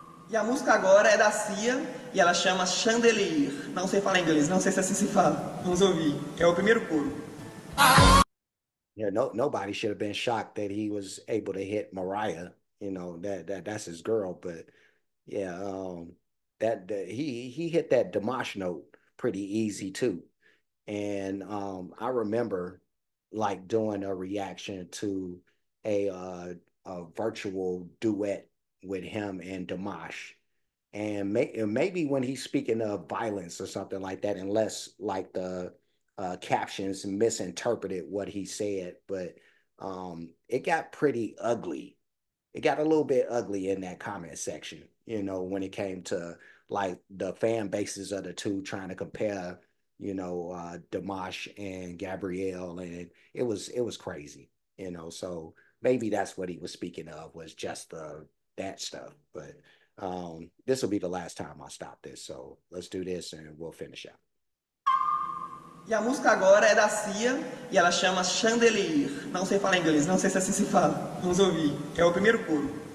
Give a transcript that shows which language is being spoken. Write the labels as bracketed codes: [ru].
[pt] E a música agora é da Sia e ela chama Chandelier. Não sei falar inglês, não sei se é assim que se fala. Vamos ouvir. É o primeiro coro. [en] Yeah, no, nobody should have been shocked that he was able to hit Mariah. That's his girl. But yeah, he hit that Dimash note pretty easy too. And I remember like doing a reaction to a virtual duet with him and Dimash. And maybe when he's speaking of violence or something like that, unless like the captions misinterpreted what he said, but it got pretty ugly. It got a little bit ugly in that comment section, when it came to like the fan bases of the two trying to compare, Dimash and Gabrielle, and it was crazy, so maybe that's what he was speaking of, was just the that stuff. But this will be the last time I stop this, so let's do this and we'll finish out. [pt] E a música agora é da Sia e ela chama Chandelier. Não sei falar inglês, não sei se é assim que se fala. Vamos ouvir. É o primeiro coro.